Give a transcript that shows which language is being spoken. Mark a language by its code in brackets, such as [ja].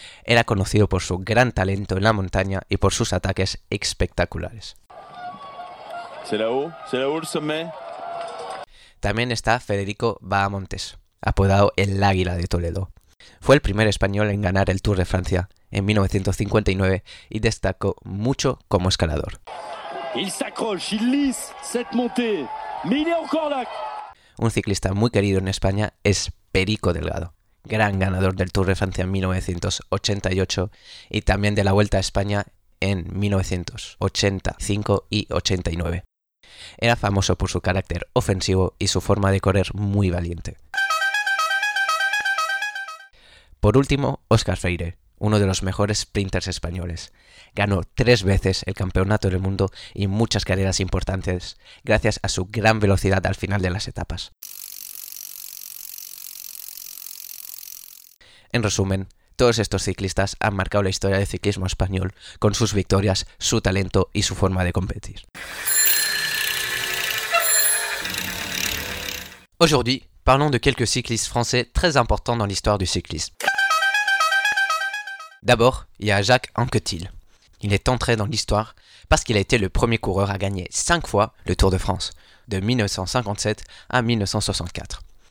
[es] Era conocido por su gran talento en la montaña y por sus ataques espectaculares. [fr] c'est là-haut le sommet. [es] También está Federico Bahamontes, apodado el Águila de Toledo. Fue el primer español en ganar el Tour de Francia en 1959 y destacó mucho como escalador. [fr] Il s'accroche, il lisse cette montée, mais il est encore là. [es] Un ciclista muy querido en España es Perico Delgado, gran ganador del Tour de Francia en 1988 y también de la Vuelta a España en 1985 y 89. Era famoso por su carácter ofensivo y su forma de correr muy valiente. Por último, Óscar Freire, uno de los mejores sprinters españoles. Ganó 3 veces el Campeonato del Mundo y muchas carreras importantes gracias a su gran velocidad al final de las etapas. En resumen, todos estos ciclistas han marcado la historia del ciclismo español con sus victorias, su talento y su forma de competir. [fr] Aujourd'hui, parlons de quelques cyclistes français très importants dans l'histoire du cyclisme. D'abord, il y a Jacques Anquetil. Il est entré dans l'histoire parce qu'il a été le premier coureur à gagner 5 fois le Tour de France, de 1957 à 1964.